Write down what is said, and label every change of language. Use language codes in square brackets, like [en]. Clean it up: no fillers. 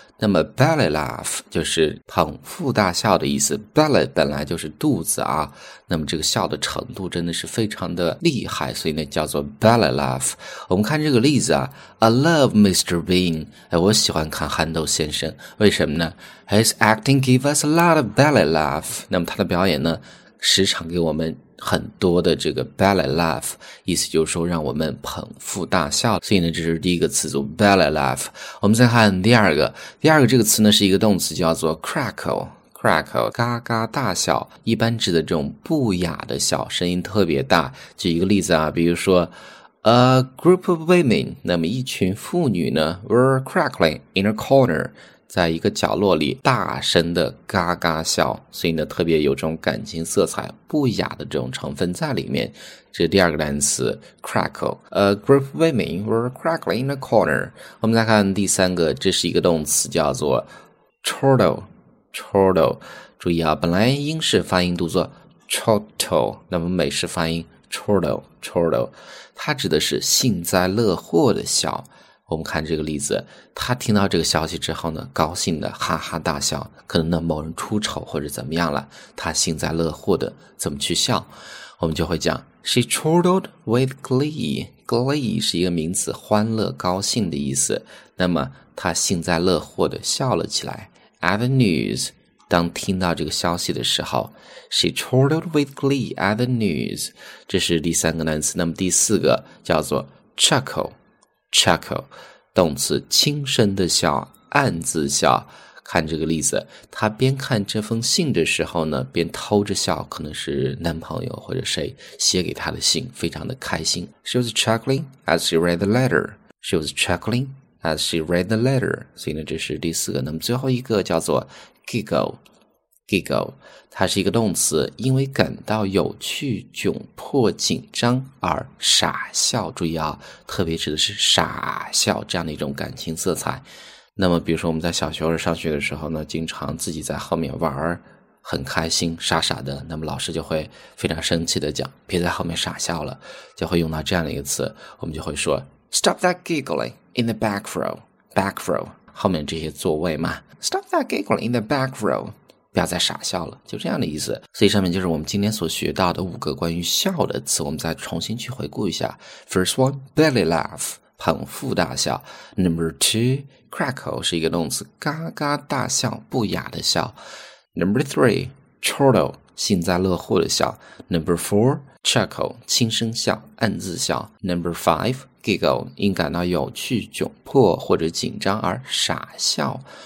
[zh] 那么 belly laugh 就是捧腹大笑的意思， belly 本来就是肚子啊，那么这个笑的程度真的是非常的厉害，所以呢叫做 belly laugh。我们看这个例子啊， [en] I love Mr. Bean。 [zh] 哎，我喜欢看憨豆先生，为什么呢？ [en] His acting gave us a lot of belly laugh。 [zh] 那么他的表演呢，时常给我们很多的这个 belly laugh， 意思就是说让我们捧腹大笑。所以呢，这是第一个词组 belly laugh。我们再看第二个，第二个这个词呢是一个动词，叫做 crackle。 crackle 嘎嘎大笑，一般指的这种不雅的笑，声音特别大。举一个例子啊，比如说 [en] A group of women， [zh] 那么一群妇女呢 [en] were crackling in a corner， [zh] 在一个角落里大声的嘎嘎笑，所以呢特别有这种感情色彩，不雅的这种成分在里面。这是第二个单词 crackle。 [en] A group of women were crackling in a corner。 [zh] 我们再看第三个，这是一个动词，叫做 chortle。 chortle 注意啊，本来英式发音读作 chortle， 那么美式发音 chortle chortle， 它指的是幸灾乐祸的笑。我们看这个例子，他听到这个消息之后呢，高兴的哈哈大笑，可能呢某人出丑或者怎么样了，他幸灾乐祸的怎么去笑，我们就会讲 [en] She chortled with glee。 [zh] Glee 是一个名词，欢乐高兴的意思，那么他幸灾乐祸的笑了起来。 [en] At the news， [zh] 当听到这个消息的时候， [en] She chortled with glee at the news。 [zh] 这是第三个单词。那么第四个叫做 chuckleChuckle， 动词，轻声的笑，暗自笑。看这个例子，他边看这封信的时候呢，边偷着笑，可能是男朋友或者谁写给他的信，非常的开心。 [en] She was chuckling as she read the letter. She was chuckling as she read the letter. [zh] 所以呢，这是第四个。那么最后一个叫做 giggle。 giggle， 它是一个动词，因为感到有趣、窘迫、紧张而傻笑。注意啊，特别指的是傻笑这样的一种感情色彩。那么比如说我们在小学或者上学的时候呢，经常自己在后面玩很开心，傻傻的，那么老师就会非常生气的讲，别在后面傻笑了，就会用到这样的一个词，我们就会说 [en] Stop that giggling in the back row。 [zh] back row 后面这些座位嘛， [en] Stop that giggling in the back row， [zh] 不要再傻笑了，就这样的意思。所以上面就是我们今天所学到的5个关于笑的词，我们再重新去回顾一下。 [en] First one， belly laugh， [zh] 捧腹大笑。 [en] Number two， [zh] crackle， 是一个动词，嘎嘎大笑，不雅的笑。 [en] Number three， chortle， [zh] 幸灾乐祸的笑。 [en] Number four， chuckle， [zh] 轻声笑，暗自笑。 [en] Number five， [zh] giggle， 因感到有趣、窘迫或者紧张而傻笑。